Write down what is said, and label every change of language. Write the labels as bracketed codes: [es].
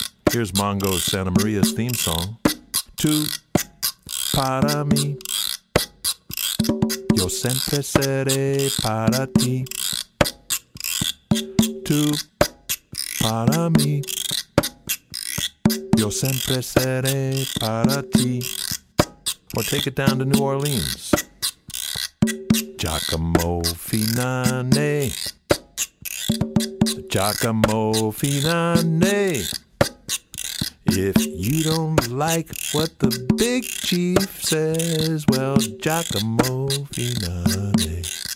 [en] Here's Mongo's Santa Maria's theme song. [es] Tu para mi, yo siempre seré para ti. Tu para mi, yo siempre seré para ti. [en] Or take it down to New Orleans. Giacomo Finane. Giacomo Finane. If you don't like what the big chief says, well, Giacomo Finane.